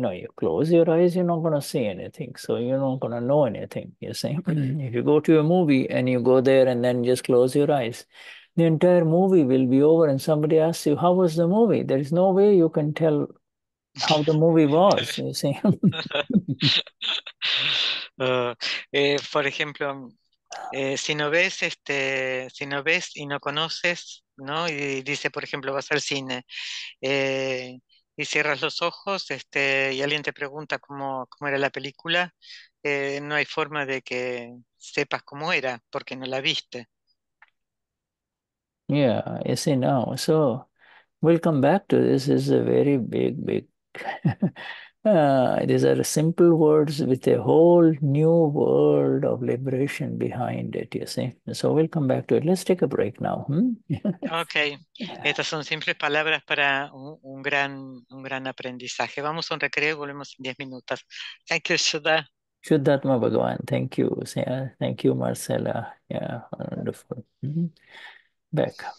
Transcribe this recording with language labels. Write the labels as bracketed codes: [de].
[en] You know, you close your eyes, you're not going to see anything. So you're not going to know anything. You see, if you go to a movie and you go there and then just close your eyes, the entire movie will be over and somebody asks you, how was the movie? There is no way you can tell how the movie was, you see. [es] Por ejemplo, si no ves, si no ves y no conoces, ¿no? Y dice, por ejemplo, vas al cine, y cierras los ojos, y alguien te pregunta cómo era la película, no hay forma de que sepas cómo era, porque no la viste. [en] Yeah, you see now. So we'll come back to this. This is a very big, big. these are simple words with a whole new world of liberation behind it, you see. So we'll come back to it. Let's take a break now. Okay. [es] Estas son simples palabras para un gran aprendizaje. Vamos a un recreo, volvemos en 10 minutos. [en] Thank you, [es] Shuddha. [en] Shuddhatma Bhagavan. Thank you. Yeah. Thank you, Marcela. Yeah, wonderful. Mm-hmm. Back.